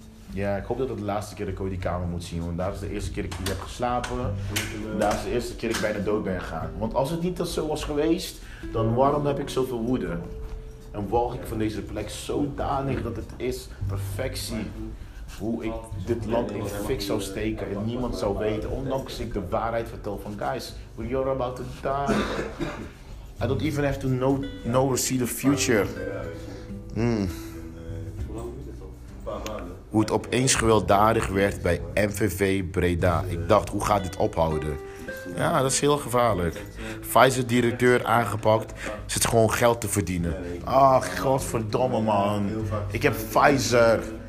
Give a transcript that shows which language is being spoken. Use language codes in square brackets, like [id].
[nl] Ja, ik hoop dat het de laatste keer dat ik ooit die kamer moet zien, want daar is de eerste keer dat ik hier heb geslapen. Daar is de eerste keer dat ik bijna dood ben gegaan. Want als het niet zo was geweest, dan waarom heb ik zoveel woede? En walg ik van deze plek zodanig dat het is perfectie hoe ik dit land in fik zou steken en niemand zou weten. Ondanks ik de waarheid vertel van, [en] guys, you're about to die. I don't even have to know or see the future. [nl] Hoe het opeens gewelddadig werd bij MVV Breda. Ik dacht, hoe gaat dit ophouden? Ja, dat is heel gevaarlijk. Pfizer-directeur aangepakt, zit gewoon geld te verdienen. Ah, godverdomme, man. Ik heb Pfizer.